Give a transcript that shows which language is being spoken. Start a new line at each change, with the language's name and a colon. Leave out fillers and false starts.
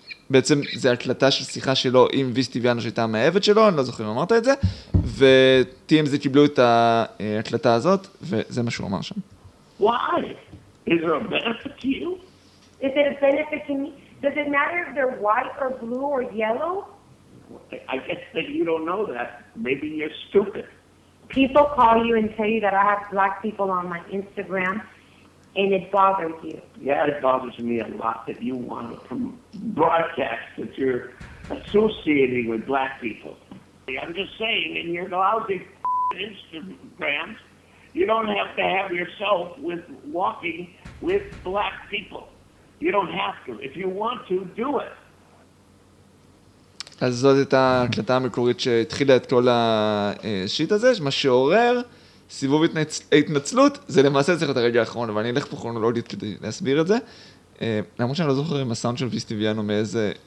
Hebrew: בעצם זה הקלטה של שיחה שלו עם ויסטיביאנו שהייתה מהעבד שלו, אני לא זוכר אם אמרת את זה, ו-TMZ קיבלו את ההקלטה הזאת, וזה מה שהוא אמר שם.
English: Why? Is there a benefit to you? Is there a benefit to me? Does it matter if they're white or blue or yellow? I guess that you don't know that. Maybe you're stupid. People call you and tell you that I have black people on my Instagram. And it bothers you. Yeah, it bothers me a lot that you want to broadcast that you're associating with black people. I'm just saying, in your lousy Instagram, you don't have to have yourself with walking with black people. You don't have to. If you want to, do it.
Hebrew: אז זאת הייתה הקלטה המקורית שהתחילה את כל השיט הזה, מה שעורר. סיבוב התנצלות, זה למעשה צריך את הרגע האחרון, אבל אני אלך פה כרונולוגית כדי להסביר את זה. למרות שאני לא זוכר עם הסאונד של ויסטיביאנו מאיזה...